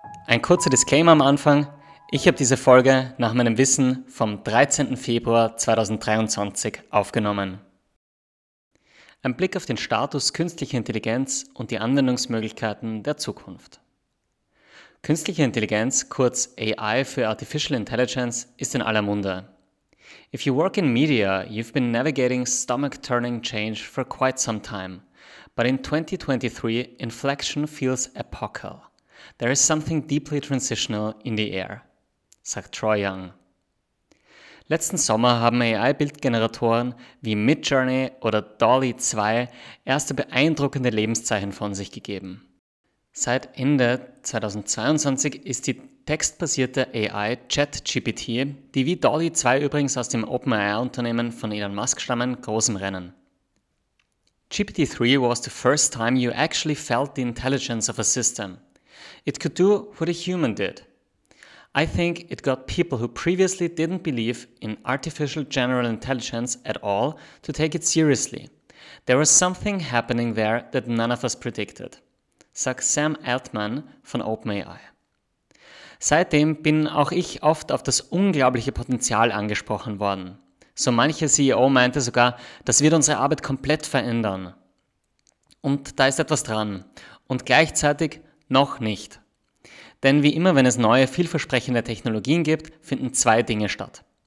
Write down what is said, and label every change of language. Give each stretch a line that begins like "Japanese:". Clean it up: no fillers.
German: Ein kurzer Disclaimer am Anfang. Ich habe diese Folge nach meinem Wissen vom 13. Februar 2023 aufgenommen. Ein Blick auf den Status künstlicher Intelligenz und die Anwendungsmöglichkeiten der Zukunft. Künstliche Intelligenz, kurz AI für Artificial Intelligence, ist in aller Munde.
English: If you work in media, you've been navigating stomach-turning change for quite some time. But in 2023, inflection feels epochal. There is something deeply transitional in the air, sagt Troy Young.
German: Letzten Sommer haben AI-Bildgeneratoren wie Midjourney oder DALL-E 2 erste beeindruckende Lebenszeichen von sich gegeben. Seit Ende 2022 ist die textbasierte AI ChatGPT, die wie DALL-E 2 übrigens aus dem OpenAI-Unternehmen von Elon Musk stammen, groß im Rennen.
English: GPT-3 was the first time you actually felt the intelligence of a system. It could do what a human did. I think it got people who previously didn't believe in artificial general intelligence at all to take it seriously. There was something happening there that none of us predicted, sagt Sam Altman von OpenAI.
German: Seitdem bin auch ich oft auf das unglaubliche Potenzial angesprochen worden. So manche CEO meinte sogar, das wird unsere Arbeit komplett verändern. Und da ist etwas dran. Und gleichzeitig noch nicht. Denn wie immer, wenn es neue, vielversprechende Technologien gibt, finden zwei Dinge statt.